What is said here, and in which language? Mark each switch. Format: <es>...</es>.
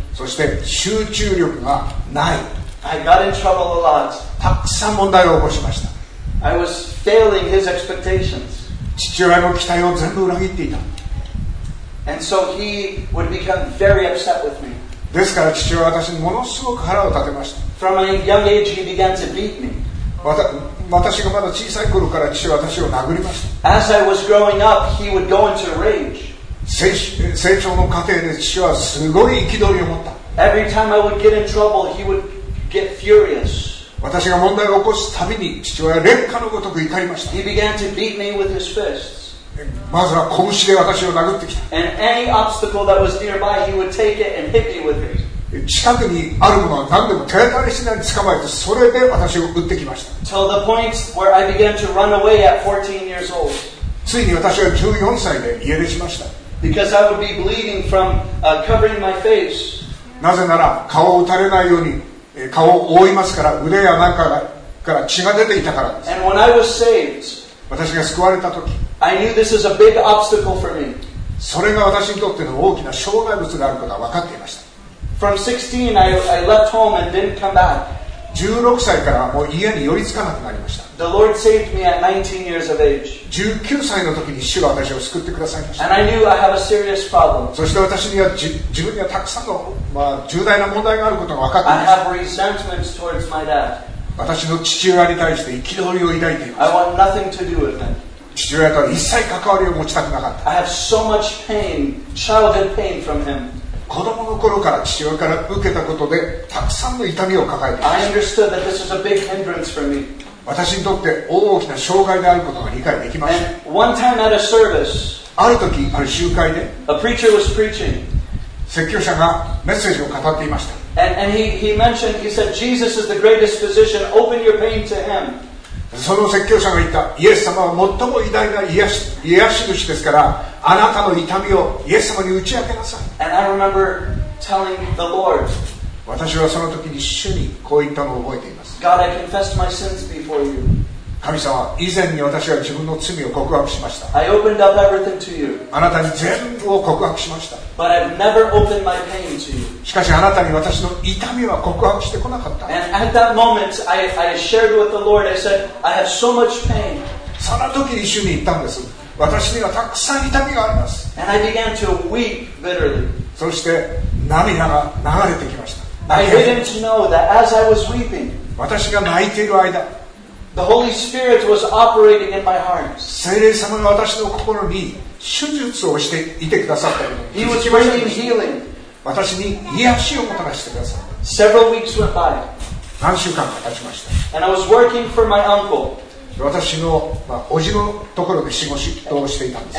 <ja>そして集中力がない。</ja> <en>I got in trouble a lot.</en> <ja>たくさん問題を起こしました。</ja> <en>I was failing his expectations.</en> <ja>父親の期待を全部裏切っていた。</ja> <en>And so he would become very upset with me.</en> <ja>ですから父親は私にものすごく腹を立てました。</ja> <en>From a young age, he began to beat me.</en> <ja>私がまだ小さい頃から父親は私を殴りました。</ja> <en>As I was growing up, he would go into rage.</en> <ja>成長の過程で父親はすごい憤りを持った。</ja> <en>Every time I would get in trouble, he would get furious.</en> <ja>私が問題を起こすたびに父親は烈火のごとく怒りました。</ja> <en>He began to beat me with his fists.</en> <ja>まずは拳で私を殴ってきた。</ja> <en>And any obstacle that was nearby, he would take it and hit me with it.</en> <ja>近くにあるものは何でも手当たりしないで捕まえて、それで私を撃ってきました。</ja> <en>Till the point where I began to run away at 14 years old.</en> <ja>ついに私は14歳で家出しました。</ja> <en>Because I would be bleeding from covering my face.</en> <ja>なぜなら顔を撃たれないように顔を覆いますから、腕や中から血が出ていたからです。</ja> <en>And when I was saved,</en> <ja>私が救われた時、</ja> <en>I knew this is a big obstacle for me.</en> <ja>それが私にとっての大きな障害物であることが分かっていました。</ja> <en>From 16, I left home and didn't come back.</en> <ja>16歳からもう家に寄りつかなくなりました。</ja> <en>The Lord saved me at 19 years of age.</en> <ja>19歳の時に主は私を救ってくださいました。</ja> <en>And I knew I have a serious problem.</en> <ja>そして私には自分にはたくさんの、まあ、重大な問題があることが分かっていました。</ja> <en>I have resentments towards my dad.</en> <ja>私の父親に対して憤りを抱いていました。</ja> <en>I want nothing to do with him.</en> <ja>父親とは一切関わりを持ちたくなかった。</ja> <en>I have so much pain, childhood pain from him.</en> <ja>子供の頃から父親から受けたことでたくさんの痛みを抱えています。</ja> <en>I understood that this was a big hindrance for me.</en> <ja>私にとって大きな障害であることが理解できました。</ja> <en>And one time at a service,</en> <ja>ある時ある集会で、</ja> <en>a preacher was preaching.</en> <ja>説教者がメッセージを語っていました。</ja> <en>And he mentioned, he said, Jesus is the greatest physician. Open your pain to him.</en> <ja>その説教者が言った、イエス様は最も偉大な癒し主ですから、あなたの痛みをイエス様に打ち明けなさい。</ja> <en>And I remember telling the Lord,</en> <ja>私はその時に主にこう言ったのを覚えています。</ja> <en>God, I confessed my sins before you.</en> <ja>神様、以前に私は自分の罪を告白しました。</ja> <en>I opened up everything to you.</en> <ja>あなたに全部を告白しました。</ja> <en>But I've never opened my pain to you.</en> <ja>しかしあなたに私の痛みは告白してこなかった。</ja> <en>And at that moment, I shared with the Lord. I said, I have so much pain.</en> <ja>その時に主に言ったんです。私にはたくさん痛みがあります。</ja> <en>And I began to weep bitterly.</en> <ja>そして涙が流れてきました。</ja> <en>I didn't know that as I was weeping.</en> <ja>私が泣いている間、</ja> <en>The Holy Spirit was operating in my heart.</en> <ja>聖霊様が私の心に手術をしていてくださったの。</ja> <en>He was bringing healing.</en> <ja>私に癒しをもたらしてくださった。</ja> <en>Several weeks went by.</en> <ja>何週間か経ちました。</ja> <en>And I was working for my uncle.</en> <ja>私の、まあ、おじのところで仕事をしていたんです。</ja>